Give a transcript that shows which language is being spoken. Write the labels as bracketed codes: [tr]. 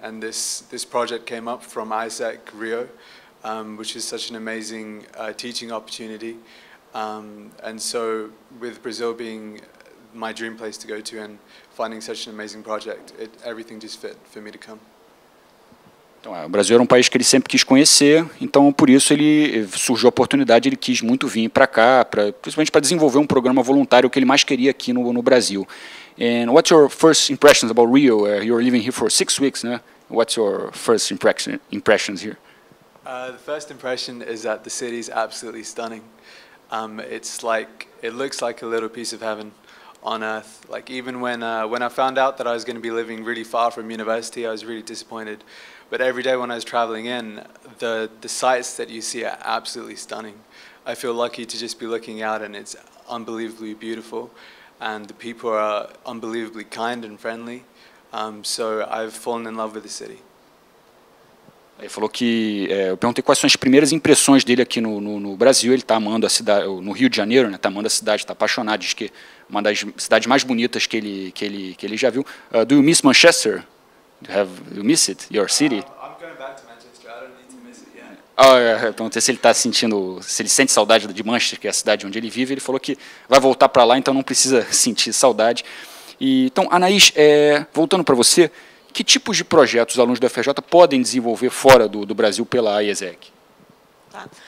[en] And this project came up from Isaac Rio, which is such an amazing teaching opportunity. And so with Brazil being my dream place to go to and finding such an amazing project, everything just fit for me to come. [pt] Então, o Brasil era um país que ele sempre quis conhecer, então por isso ele surgiu a oportunidade, ele quis muito vir para cá, principalmente para desenvolver um programa voluntário que ele mais queria aqui no Brasil. [en] And what's your first impressions about Rio? You're living here for 6 weeks, né? What's your first impressions here? The first impression is that the city is absolutely stunning. It looks like a little piece of heaven on earth. Like even when I found out that I was going to be living really far from university, I was really disappointed. But every day when I was traveling in, the sights that you see are absolutely stunning. I feel lucky to just be looking out, and it's unbelievably beautiful. And the people are unbelievably kind and friendly. So I've fallen in love with the city. [pt] Ele falou que, eu perguntei quais são as primeiras impressões dele aqui no Brasil, ele está amando a cidade, no Rio de Janeiro, né, está amando a cidade, está apaixonado, diz que é uma das cidades mais bonitas que ele já viu. [en] Do you miss Manchester? Do you miss it, your city? I'm going back to Manchester, I don't need to miss it yet. [pt] Perguntei se ele está sentindo, se ele sente saudade de Manchester, que é a cidade onde ele vive, ele falou que vai voltar para lá, então não precisa sentir saudade. E, então, Anaís, voltando para você, que tipos de projetos os alunos da UFRJ podem desenvolver fora do Brasil pela AIESEC? Tá.